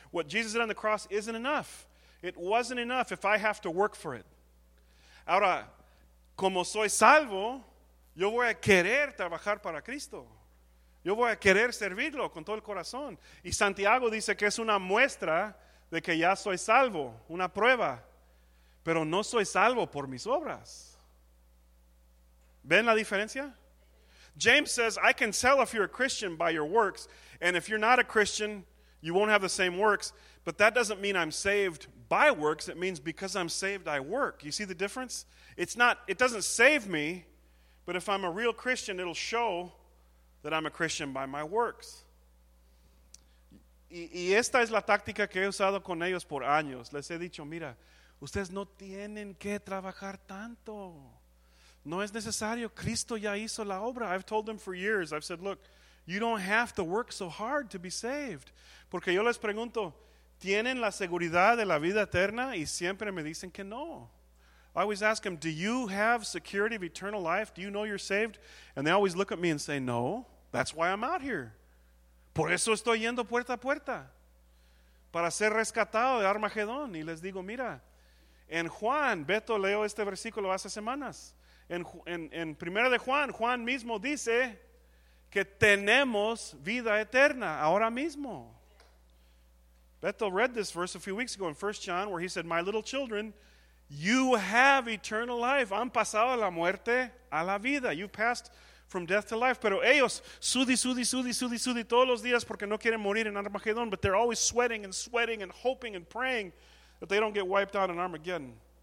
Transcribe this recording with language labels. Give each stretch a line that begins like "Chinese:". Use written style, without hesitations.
English: What Jesus did on the cross isn't enough. It wasn't enough if I have to work for it.
Spanish: Ahora, como soy salvo, yo voy a querer trabajar para Cristo. Yo voy a querer servirlo con todo el corazón. Y Santiago dice que es una muestra de que ya soy salvo, una prueba. Pero no soy salvo por mis obras. ¿Ven la diferencia?
English: James says, I can tell if you're a Christian by your works. And if you're not a Christian, you won't have the same works. But that doesn't mean I'm saved by works, it means because I'm saved, I work. You see the difference? It doesn't save me, but if I'm a real Christian, it'll show that I'm a Christian by my works.
Spanish: Y esta es la táctica que he usado con ellos por años. Les he dicho, mira, ustedes no tienen que trabajar tanto. No es necesario. Cristo ya hizo la obra.
English: I've told them for years. I've said, look, you don't have to work so hard to be saved.
Spanish: Porque yo les pregunto, ¿tienen la seguridad de la vida eterna? Y siempre me dicen que no.
English: I always ask them, do you have security of eternal life? Do you know you're saved? And they always look at me and say, no. That's why I'm out here.
Spanish: Por eso estoy yendo puerta a puerta. Para ser rescatado de Armagedón. Y les digo, mira, en Juan, Beto leo este versículo hace semanas. En Primera de Juan, Juan mismo dice que tenemos vida eterna ahora mismo.
English: Bethel read this verse a few weeks ago in 1 John where he said, my little children, you have eternal life.
Spanish: Han pasado la muerte a la vida.
English: You passed from death to life.
Spanish: Pero ellos, sudi todos los días porque no quieren morir en Armagedón.
English: But they're always sweating and hoping and praying that they don't get wiped out in Armageddon.